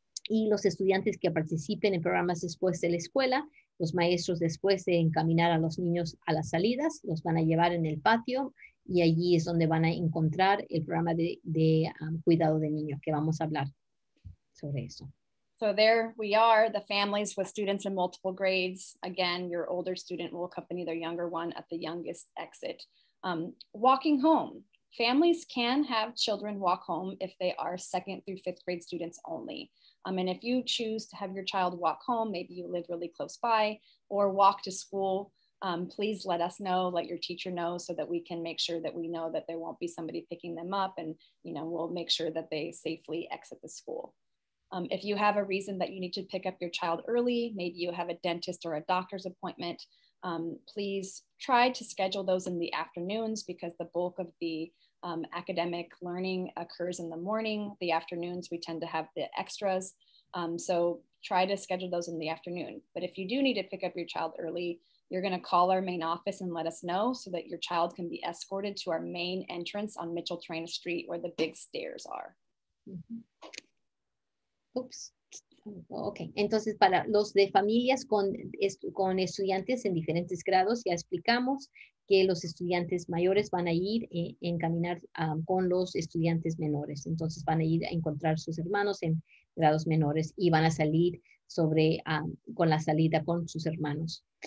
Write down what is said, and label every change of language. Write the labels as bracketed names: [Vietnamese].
[Spanish] Y los estudiantes que participen en programas después de la escuela, los maestros después de encaminar a los niños a las salidas, los van a llevar en el patio y allí es donde van a encontrar el programa de cuidado de niños, que vamos a hablar sobre eso. [English] So there we are, the families with students in multiple grades. Again, your older student will accompany their younger one at the youngest exit. Walking home. Families can have children walk home if they are second through fifth grade students only. And if you choose to have your child walk home, maybe you live really close by or walk to school, please let us know, let your teacher know so that we can make sure that we know that there won't be somebody picking them up and, you know, we'll make sure that they safely exit the school. If you have a reason that you need to pick up your child early, maybe you have a dentist or a doctor's appointment, please try to schedule those in the afternoons because the bulk of the academic learning occurs in the morning. The afternoons, we tend to have the extras. So try to schedule those in the afternoon. But if you do need to pick up your child early, you're gonna call our main office and let us know so that your child can be escorted to our main entrance on Micheltorena Street where the big stairs are. Mm-hmm. Oops. [Spanish] Ok, entonces para los de familias con estudiantes en diferentes grados, ya explicamos que los estudiantes mayores van a ir en caminar con los estudiantes menores. Entonces van a ir a encontrar sus hermanos en grados menores y van a salir sobre con la salida con sus hermanos.